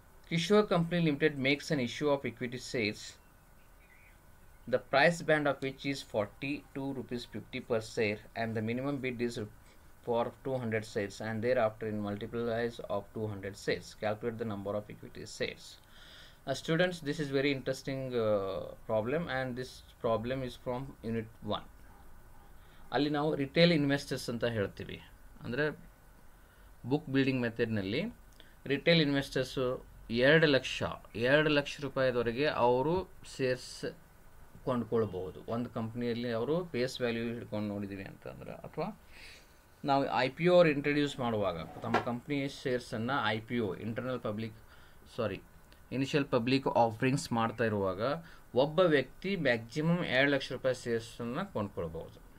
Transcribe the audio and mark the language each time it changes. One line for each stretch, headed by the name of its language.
English: Kishore company limited makes an issue of equity sales, the price band of which is 42.50 rupees per share and the minimum bid is for 200 sales and thereafter in multiplies of 200 sales. Calculate the number of equity sales. Students, this is very interesting problem, and this problem is from unit 1.
Kannada: Alli now retail investors anta helthivi andre book building method nalli retail investors 2 lakh ರೂಪಾಯಿದವರೆಗೆ ಅವರು shares ಕೊಂಡ್ಕೊಳ್ಬೋದು. ಒಂದು ಕಂಪ್ನಿಯಲ್ಲಿ ಅವರು base value ಹಿಡ್ಕೊಂಡು ನೋಡಿದ್ದೀವಿ ಅಂತಂದರೆ, ಅಥವಾ ನಾವು I P O introduce ಮಾಡುವಾಗ ತಮ್ಮ ಕಂಪ್ನಿಯ ಶೇರ್ಸನ್ನು I P O internal public sorry initial public offerings ಮಾಡ್ತಾ ಇರುವಾಗ ಒಬ್ಬ ವ್ಯಕ್ತಿ ಮ್ಯಾಕ್ಸಿಮಮ್ 2 ಲಕ್ಷ ರೂಪಾಯಿ ಶೇರ್ಸನ್ನು ಕೊಂಡ್ಕೊಳ್ಬೋದು.